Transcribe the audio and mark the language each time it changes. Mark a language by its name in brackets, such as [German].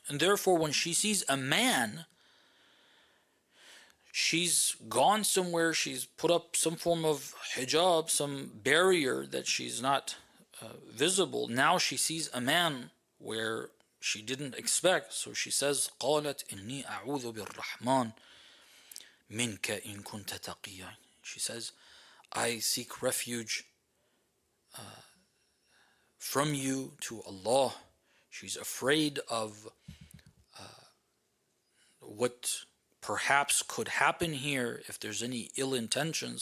[English] And therefore, when she sees a man, she's gone somewhere, she's put up some form of hijab, some barrier that she's not visible. Now she sees a man where she didn't expect. So she says, [Arabic] قَالَتْ إِنِّي أَعُوذُ بِالرَّحْمَنِ مِنْكَ إِن كُنْتَ تَقِيًّا. [English] She says, I seek refuge from you to Allah. She's afraid of what perhaps could happen here if there's any ill intentions.